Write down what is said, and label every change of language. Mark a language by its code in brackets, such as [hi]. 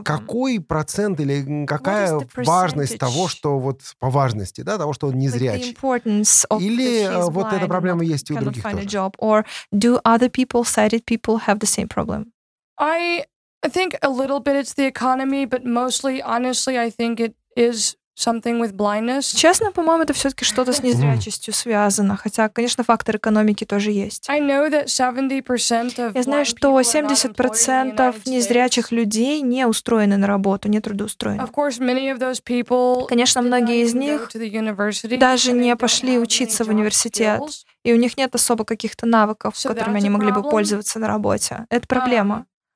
[ru] какой процент или какая важность того, что вот по важности, да, того, что он незрячий? Или вот эта проблема есть и у других тоже? [en] I think a little bit it's the economy, but mostly, honestly, I think it is something with blindness. [ru] Честно, по-моему, это все-таки что-то с незрячестью связано. Хотя, конечно, фактор экономики тоже есть. [en] I know that 70% of. [ru] Я знаю, что 70% незрячих людей не устроены на работу, не трудоустроены. [en] Of course, many of those people. [ru] Конечно, многие из них даже не пошли учиться в университет, и у них нет особо каких-то навыков, которыми они могли бы пользоваться на работе. Это проблема.